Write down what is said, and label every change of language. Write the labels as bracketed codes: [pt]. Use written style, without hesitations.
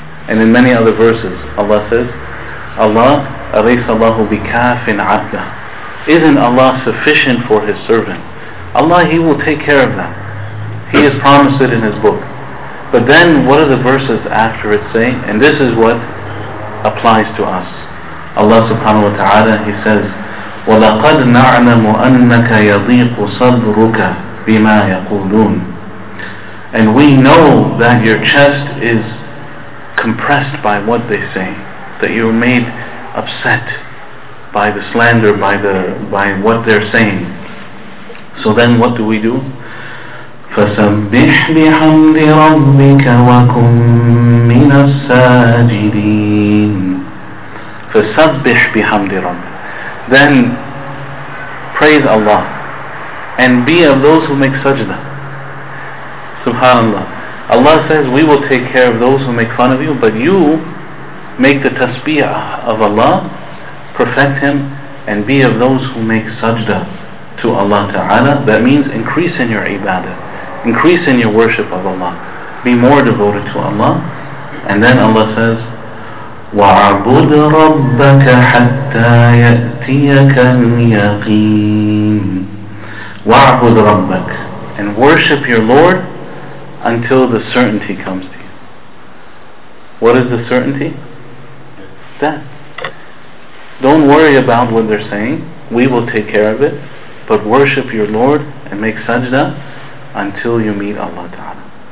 [en] And in many other verses, Allah says, Allah, [ar] alaysa Allahu bikafin 'abda. [en] Isn't Allah sufficient for his servant? Allah, he will take care of them. He has promised it in his book. But then what are the verses after it say? And this is what applies to us. Allah subhanahu wa ta'ala, he says, [ar] وَلَقَدْ نَعْلَمُ أَنَّكَ يَضِيقُ صَدْرُكَ بِمَا يَقُولُونَ. [en] And we know that your chest is compressed by what they say, that you're made upset by the slander, by what they're saying. So then what do we do? [ar] فَسَبِّحْ بِحَمْدِ رَبِّكَ وَكُمْ مِنَ السَّاجِدِينَ. فَسَبِّحْ بِحَمْدِ رَبِّكَ. [en] Then praise Allah and be of those who make sajda. Subhanallah. Allah says, we will take care of those who make fun of you, but you make the tasbih of Allah, perfect him, and be of those who make sajda to Allah Ta'ala. That means increase in your ibadah, increase in your worship of Allah, be more devoted to Allah. And then Allah says, [ar] وَعَبُدْ رَبَّكَ حَتَّى يَأْتِيَكَ الْيَقِينَ. وَعَبُدْ رَبَّكَ. [en] And worship your Lord until the certainty comes to you. What is the certainty? Death. Don't worry about what they're saying. We will take care of it. But worship your Lord and make sajda until you meet Allah Ta'ala.